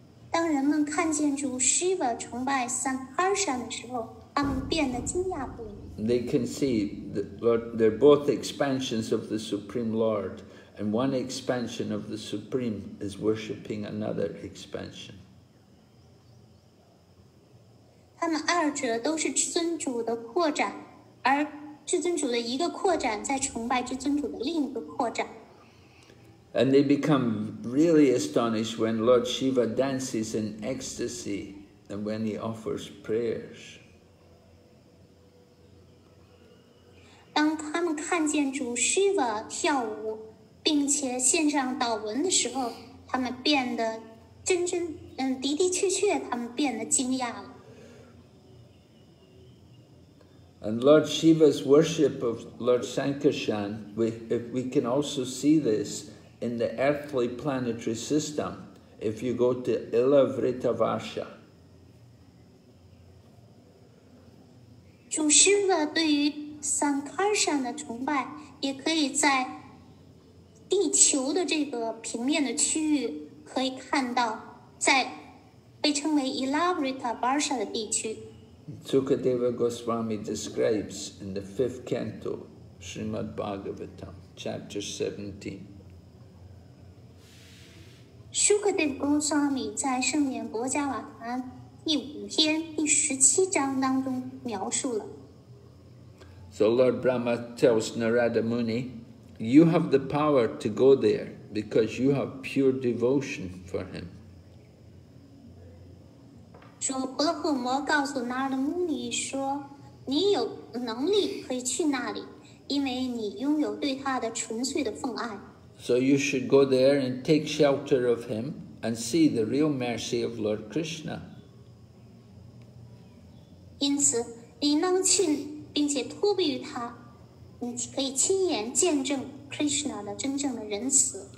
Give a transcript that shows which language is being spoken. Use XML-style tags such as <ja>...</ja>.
<zh>当人们看见主 Shiva 崇拜 Sankarshan 的时候，他们变得惊讶不已。</zh> <en>They can see that they're both expansions of the Supreme Lord, and one expansion of the Supreme is worshipping another expansion.</en> <zh>他们二者都是尊主的扩展。而至尊主的一个扩展在崇拜至尊主的另一个扩展。</zh> <en>And they become really astonished when Lord Shiva dances in ecstasy and when he offers prayers.</en> <zh>当他们看见主 Shiva 跳舞并且献上祷文的时候，他们变得的的确确，他们变得惊讶了。</zh> <en>And Lord Shiva's worship of Lord Sankarshan, we can also see this in the earthly planetary system. If you go to Ila Vrita Varsha.</en> <zh>主 Shiva 对于 Sankarshan 的崇拜也可以在地球的这个平面的区域可以看到，在被称为 Ila Vrita Varsha 的地区。</zh> <en>Sukadeva Goswami describes in the fifth canto, Srimad Bhagavatam, chapter 17.</en> <zh>Sukadeva Goswami 在圣严国家瓦坛第五篇第十七章当中描述了。</zh> <en>So Lord Brahma tells Narada Muni, you have the power to go there because you have pure devotion for him.</en> <zh>主婆罗门摩告诉那儿的牧尼说：“你有能力可以去那里，因为你拥有对他的纯粹的奉爱。”</zh> <en>So you should go there and take shelter of him and see the real mercy of Lord Krishna.</en> <zh>因此，你能去并且托庇于他，你可以亲眼见证 Krishna 的真正的仁慈。</zh>